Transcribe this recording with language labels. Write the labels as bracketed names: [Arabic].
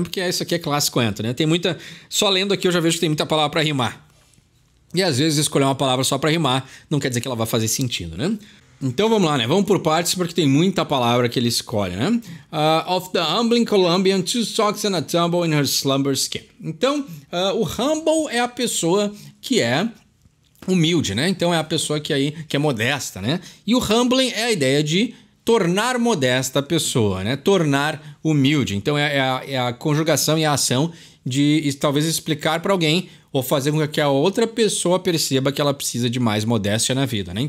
[Portuguese] Porque isso aqui é clássico entra, né? Tem muita... Só lendo aqui eu já vejo que tem muita palavra pra rimar. E às vezes escolher uma palavra só pra rimar não quer dizer que ela vai fazer sentido, né? Então vamos lá, né? Vamos por partes porque tem muita palavra que ele escolhe, né? [English] Of the humbling Colombian, two socks and a tumble in her slumber skin. [Portuguese] Então, o humble é a pessoa que é humilde, né? Então é a pessoa que, aí, que é modesta, né? E o humbling é a ideia de tornar modesta a pessoa, né? Tornar humilde. Então é a conjugação e a ação de talvez explicar para alguém ou fazer com que a outra pessoa perceba que ela precisa de mais modéstia na vida, né?